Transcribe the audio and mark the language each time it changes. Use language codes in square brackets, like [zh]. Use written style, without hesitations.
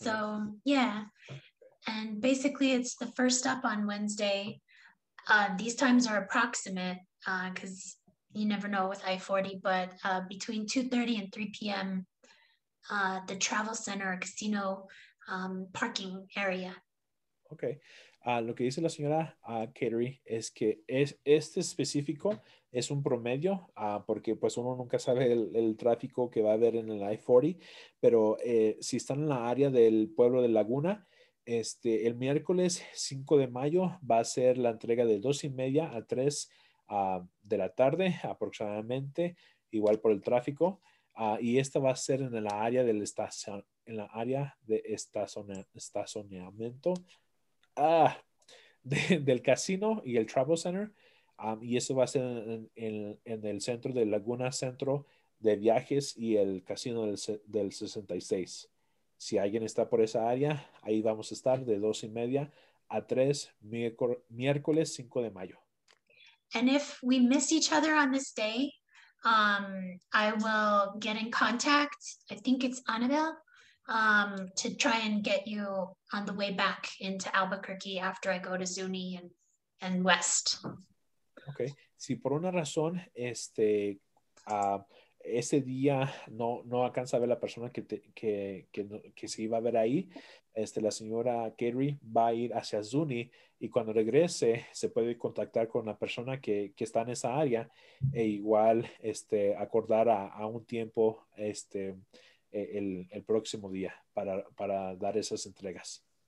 [en] one. So, yeah, and basically it's the first stop on Wednesday. These times are approximate because you never know with I-40, but between 2:30 and 3 p.m., the travel center, casino parking area. Okay. [es] Lo que dice la señora Kateri es que es, este específico es un promedio, porque pues uno nunca sabe el tráfico que va a haber en el I-40, pero si están en la área del pueblo de Laguna, este, el miércoles 5 de mayo va a ser la entrega de 2:30 a 3 de la tarde aproximadamente, igual por el tráfico, y esta va a ser en la área del estacionamiento. Del casino y el Travel Center, y eso va a ser en el centro de Laguna, centro de viajes y el casino del 66. Si alguien está por esa área, ahí vamos a estar de 2:30 a 3 miércoles 5 de mayo. [en] And if we miss each other on this day, I will get in contact, I think it's Annabelle, to try and get you on the way back into Albuquerque after I go to Zuni and West. Okay. [es] Si por una razón ese día no alcanza a ver la persona que se iba a ver ahí, la señora Kerry va a ir hacia Zuni, y cuando regrese se puede contactar con la persona que está en esa área e igual acordar a un tiempo el próximo día para dar esas entregas.